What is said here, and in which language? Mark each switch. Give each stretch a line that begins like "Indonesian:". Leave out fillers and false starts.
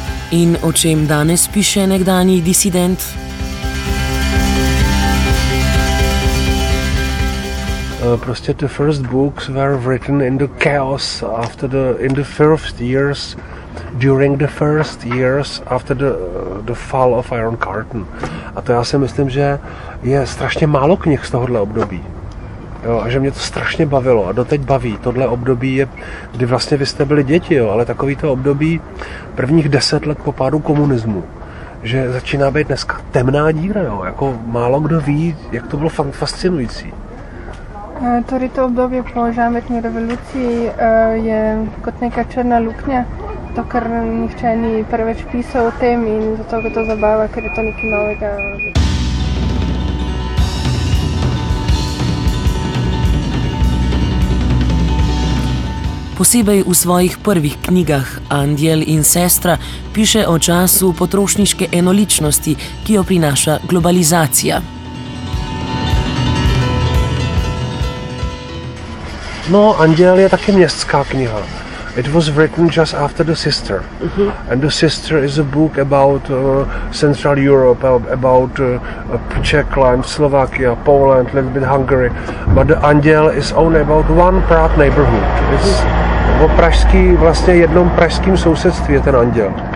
Slovenian: In o čem danes piše nekdanji disident?
Czech: Prostě
English: the first books were written in the chaos after the in the first years during the first years after the fall of Iron Curtain.
Czech: A to já si myslím, že je strašně málo knih z tohohle období. Jo, a že mě to strašně bavilo a doteď baví. Tohle období je, kdy vlastně vy jste byli děti, jo, ale takový to období prvních 10 let po pádu komunismu. Že začíná být dneska temná díra, jo, jako málo kdo ví, jak to bylo fascinující.
Slovenian: Torej to obdobje po žametni revoluciji je kot neka črna luknja, to kar nihče ni preveč pisal o tem in zato ga to zabava, ker je to nekaj novega. Posebej v svojih prvih knjigah Andjel in sestra piše o času potrošniške enoličnosti, ki jo prinaša globalizacija.
Czech: No, Anděl je taky městská kniha.
English: It was written just after The Sister. Mm-hmm. And The Sister is a book about Central Europe, about Czech land, Slovakia, Poland, a little bit Hungary. But the Anděl is only about one Prague neighborhood. It's
Czech: o pražský, vlastně jednom pražským sousedství je ten Anděl.